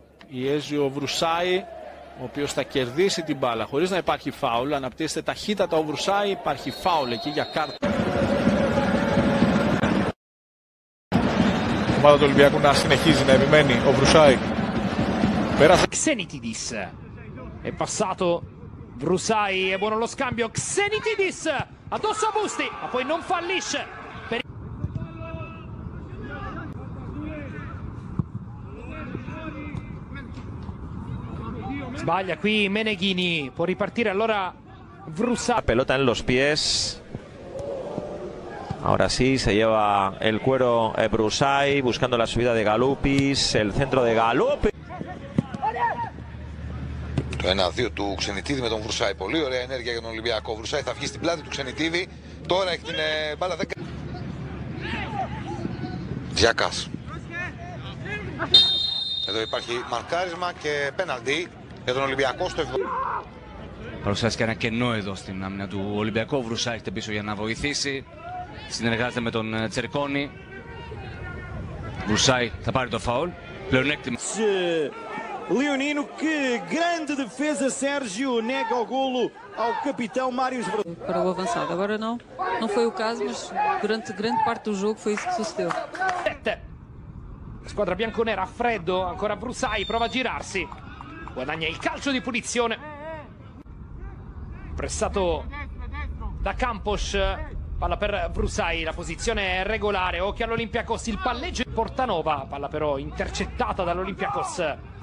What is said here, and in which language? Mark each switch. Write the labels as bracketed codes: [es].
[el] Πιέζει ο Βρουσάη, ο οποίος θα κερδίσει την μπάλα χωρίς να υπάρχει φάουλ. Αναπτύσσεται ταχύτατα ο Βρουσάη, υπάρχει φάουλ εκεί για κάρτα. Η ομάδα του Ολυμπιακού να συνεχίζει να επιμένει ο Βρουσάη. [it] Xenitidis è passato Vrusai, è buono lo scambio. Xenitidis addosso a Busti, ma poi non fallisce. Sbaglia qui Meneghini, può ripartire allora Vrusai. [es] La pelota en los pies. Ahora sí, se lleva el cuero Vrusai buscando la subida de Galupis, el centro de Galupis. [el] Το 1-2 του Ξενιτίδη με τον Βρουσάη. Πολύ ωραία ενέργεια για τον Ολυμπιακό. Ο Βρουσάη θα βγει στην πλάτη του Ξενιτίδη. Τώρα έχει την μπάλα 10. Διακάς. Εδώ υπάρχει μαρκάρισμα και πέναλτι για τον Ολυμπιακό στο 7. Παρουσιάζει και ένα κενό εδώ στην άμυνα του Ολυμπιακού. Ο Βρουσάη έχετε πίσω για να βοηθήσει. Συνεργάζεται με τον Τσερκόνη. Βρουσάη θα πάρει το φάουλ. Πλεονέκτημα. [pt] Leonino, que grande defesa, Sérgio, nega o golo ao capitão Mário. Para o avançado, agora não. Não foi o caso, mas durante grande parte do jogo foi isso que sucedeu. [it] Squadra bianconera, a freddo, ancora Vrusai, prova a girarsi. Guadagna il calcio di punizione. Pressato da Campos, palla per Vrusai, la posizione è regolare. Occhio all'Olympiakos, il palleggio di Portanova, palla però intercettata dall'Olympiakos.